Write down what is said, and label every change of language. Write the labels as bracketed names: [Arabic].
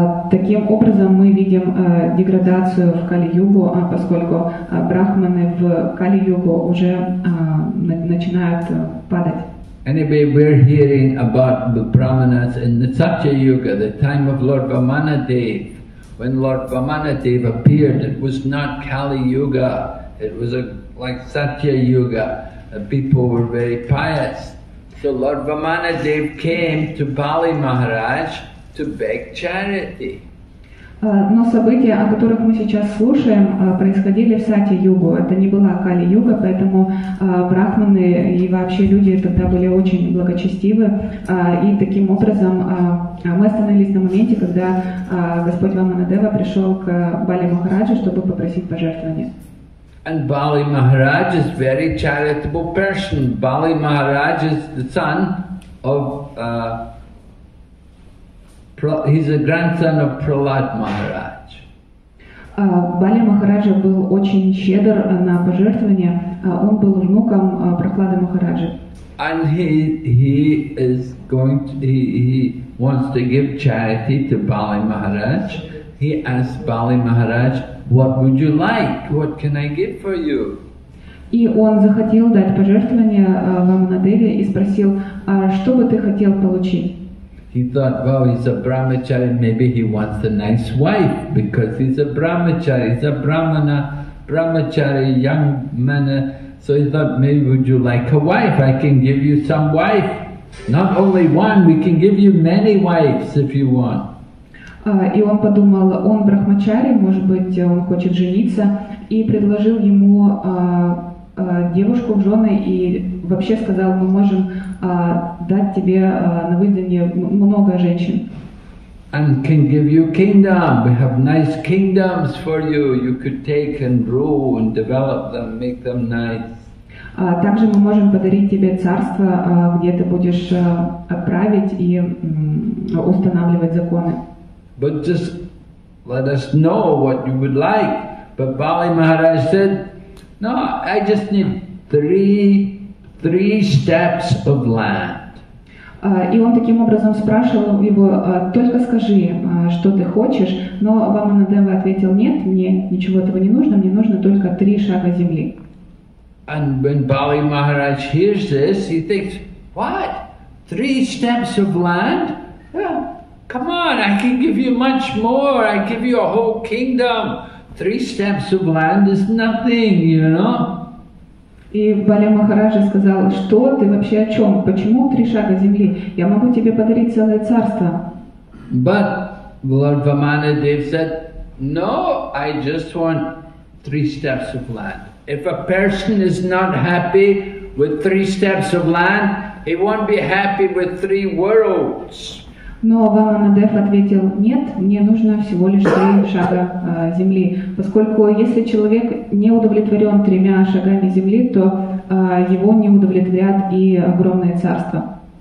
[Russian] Таким образом мы видим деградацию в Кали-Югу, поскольку брахманы в Кали-Югу уже начинают падать. [English] Anyway, we're hearing about the brahmanas in the Satya-Yuga, the time of Lord Vamanadeva. When Lord Vamanadeva appeared, it was not Kali-Yuga, it was like Satya-Yuga. The people were very pious. So Lord Vamanadeva came to Bali Maharaj to beg charity. [Russian] Но события, о которых мы сейчас слушаем, происходили в Сатья-Югу. Это не была Кали-Юга, поэтому брахманы и вообще люди тогда были очень благочестивы. И таким образом мы остановились на моменте, когда Господь Ваманадева пришел к Бали Махараджу, чтобы попросить пожертвования. [English] And Bali Maharaj is very charitable person. Bali Maharaj is the son of he's a grandson of Prahlad Maharaj. [Russian] Bali Maharaja был очень щедр на пожертвования. Он был внуком Прахлады Махараджи. [English] And he wants to give charity to Bali Maharaj. He asks Bali Maharaj, "What would you like? What can I give for you?" [Russian] И он захотел дать пожертвование Ваманадеве и спросил, что бы ты хотел получить? [English] He thought, well, he's a brahmachari, maybe he wants a nice wife, because he's a brahmachari, he's a brahmana, brahmachari, young man. So he thought, maybe would you like a wife? I can give you some wife. Not only one, we can give you many wives if you want. [Russian] И он подумал, он брахмачари, может быть, он хочет жениться, и предложил ему девушку в жены и вообще сказал, мы можем дать тебе на выданье много женщин. [English] And can give you kingdom. We have nice kingdoms for you. You could take and rule and develop them, make them nice. [Russian] Также мы можем подарить тебе царство, где ты будешь править и устанавливать законы. [English] But just let us know what you would like. But Bali Maharaj said, no, I just need three steps of land. [Russian] И он таким образом спрашивал его, только скажи, что ты хочешь. Но Ваманадева ответил, нет, мне ничего этого не нужно, мне нужно только три шага земли. [English] And when Bali Maharaj hears this, he thinks, what? Three steps of land? Well, come on, I can give you much more, I give you a whole kingdom. Three steps of land is nothing, you know? [Russian] И Бали Махараджа сказал, что ты вообще о чем? Почему три шага земли? Я могу тебе подарить целое царство. [English] But Lord Vamanadeva said, no, I just want three steps of land. If a person is not happy with three steps of land, he won't be happy with three worlds. [Russian] Но Ваманадев ответил, нет, мне нужно всего лишь три шага земли. Поскольку если человек не удовлетворен тремя шагами земли, то его не удовлетворят и огромное царство.